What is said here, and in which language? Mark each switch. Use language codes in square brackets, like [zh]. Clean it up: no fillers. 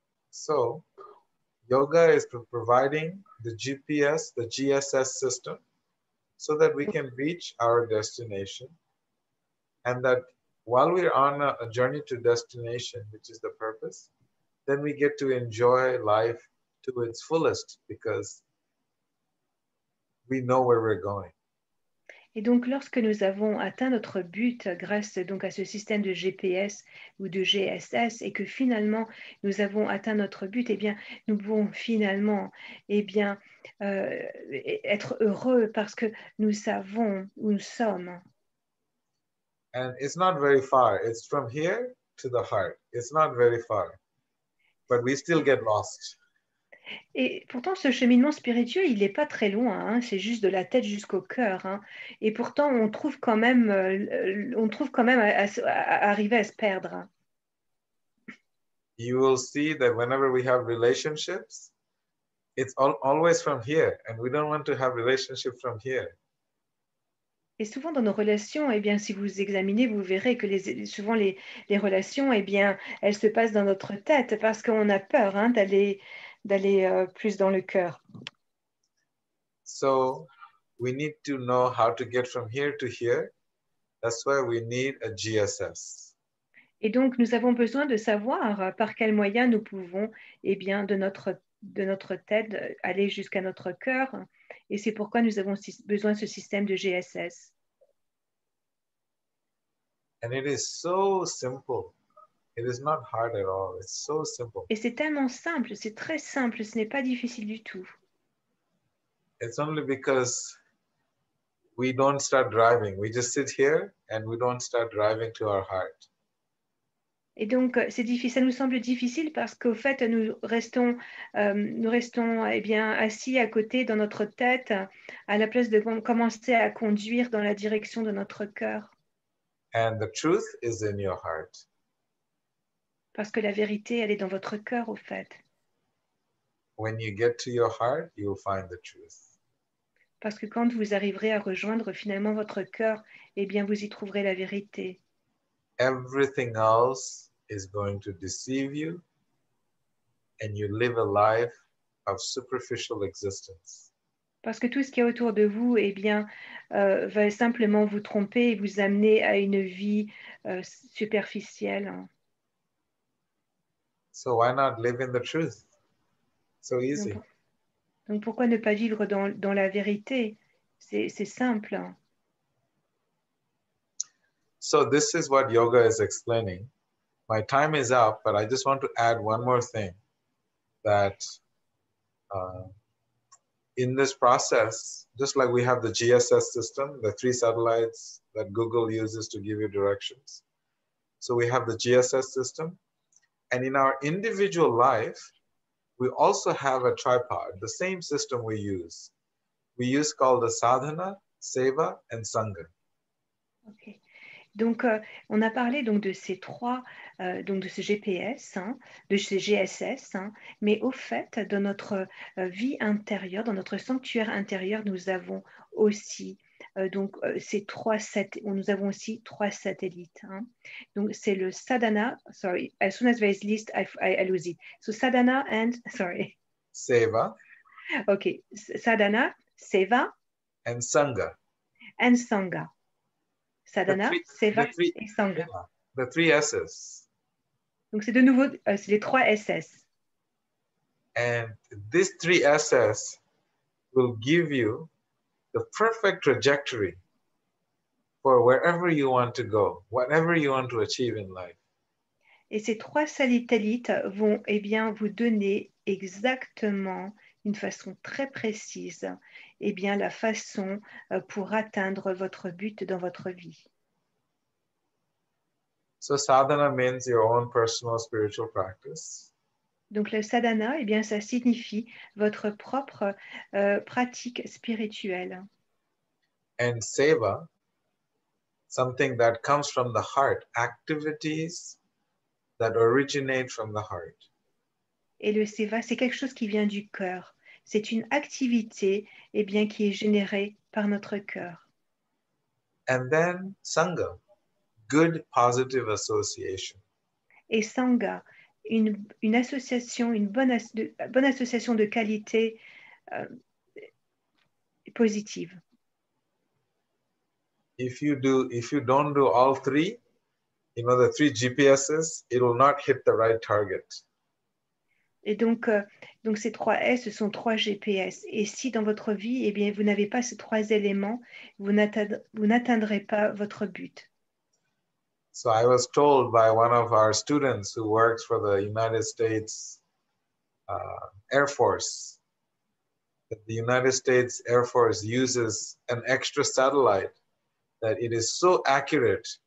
[en] So, yoga is providing the GPS, the GSS system, so that we can reach our destination, and that while we're on a journey to destination, which is the purpose, then we get to enjoy life to its fullest because we know where we're going. [fr] Et donc, lorsque nous avons atteint notre but grâce donc à ce système de GPS ou de GSS, et que finalement nous avons atteint notre but, eh bien, nous pouvons finalement eh bien, être heureux parce que nous savons où nous sommes. [en] And it's not very far. It's from here to the heart. It's not very far. But we still get lost. [fr] Et pourtant, ce cheminement spirituel, il n'est pas très loin. Hein. C'est juste de la tête jusqu'au cœur. Hein. Et pourtant, on trouve quand même à arriver à se perdre. [en] You will see that whenever we have relationships, it's always from here. And we don't want to have relationships from here. [fr] Et souvent dans nos relations, eh bien, si vous examinez, vous verrez que souvent les relations, eh bien, elles se passent dans notre tête parce qu'on a peur hein, d'aller plus dans le cœur. [en] So, we need to know how to get from here to here. That's why we need a GSS. [fr] Et donc, nous avons besoin de savoir par quels moyens nous pouvons, eh bien, de notre tête aller jusqu'à notre cœur. Et c'est pourquoi nous avons besoin de ce système de GSS. [en] And it is so simple. It is not hard at all. It's so simple. [fr] Et c'est tellement simple, c'est très simple, ce n'est pas difficile du tout. [en] It's only because we don't start driving. We just sit here and we don't start driving to our heart. [fr] Et donc, c'est difficile. Ça nous semble difficile parce qu'au fait, nous restons eh bien, assis à côté dans notre tête à la place de commencer à conduire dans la direction de notre cœur. [en] And the truth is in your heart. [fr] Parce que la vérité, elle est dans votre cœur, au fait. [en] When you get to your heart, you'll find the truth. [fr] Parce que quand vous arriverez à rejoindre finalement votre cœur, eh bien, vous y trouverez la vérité. [en] Everything else is going to deceive you and you live a life of superficial existence. [fr] Parce que tout ce qui est autour de vous, eh bien, va simplement vous tromper et vous amener à une vie superficielle. [en] So why not live in the truth? So easy. [fr] Donc pourquoi ne pas vivre dans la vérité? C'est simple. [en] So this is what yoga is explaining. My time is up, but I just want to add one more thing, that in this process, just like we have the GSS system, the three satellites that Google uses to give you directions. So we have the GSS system. And in our individual life, we also have a tripod, the same system we use. We use called the sadhana, seva, and sangha. Okay. [fr] Donc, on a parlé donc de ces trois, donc de ce GPS, hein, de ce GSS, hein, mais au fait, dans notre vie intérieure, dans notre sanctuaire intérieur, nous avons aussi trois satellites. Hein. Donc, c'est le [en] sadhana, sorry, as soon as there is list, I lose it. So, sadhana and, sorry. Seva. Ok, sadhana, seva. And sangha. And sangha. Sadhana, Seva et Sangha. The three S's. [fr] Donc c'est de nouveau, c'est les trois S's. [en] And these three S's will give you the perfect trajectory for wherever you want to go, whatever you want to achieve in life. [fr] Et ces trois satellites vont eh bien, vous donner exactement d'une façon très précise eh bien, la façon pour atteindre votre but dans votre vie. [en] So sadhana means your own personal spiritual practice. [fr] Donc le sadhana, eh bien, ça signifie votre propre pratique spirituelle. [en] And seva, something that comes from the heart, activities that originate from the heart. [fr] Et le seva, c'est quelque chose qui vient du cœur. C'est une activité, eh bien, qui est générée par notre cœur. [en] And then sangha, good positive association. [fr] Et sangha, une association, une bonne association de qualité positive. [en] If you don't do all three, you know, the three GPSs, it will not hit the right target. [fr] Et donc ces trois S, ce sont trois GPS. Et si dans votre vie, eh bien, vous n'avez pas ces trois éléments, vous n'atteindrez pas votre but. [en] So I was told by one of our students who works for the United States Air Force that the United States Air Force uses an extra satellite that it is so accurate.